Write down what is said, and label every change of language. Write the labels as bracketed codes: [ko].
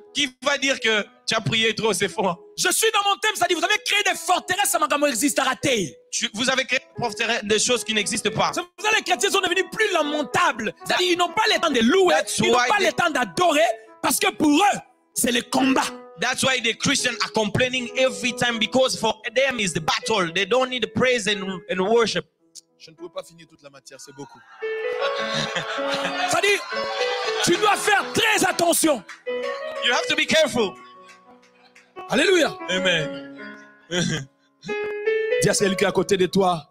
[fr] Qui va dire que tu as prié trop, c'est faux. Je suis dans mon thème, ça dit, vous avez créé des forteresses, ça m'a quand même existé, raté. Vous avez créé des choses qui n'existent pas. Ça, les chrétiens sont devenus plus lamentables. C'est-à-dire, ils n'ont pas le temps de louer, ils n'ont pas le temps d'adorer, parce que pour eux, c'est le combat. [en] That's why the Christians are complaining every time, because for them is the battle. They don't need the praise and worship. [fr] Je ne peux pas finir toute la matière, c'est beaucoup. Ça dit, tu dois faire très attention. [en] You have to be careful. Alléluia. Amen. [fr] Dis à celui qui est à côté de toi.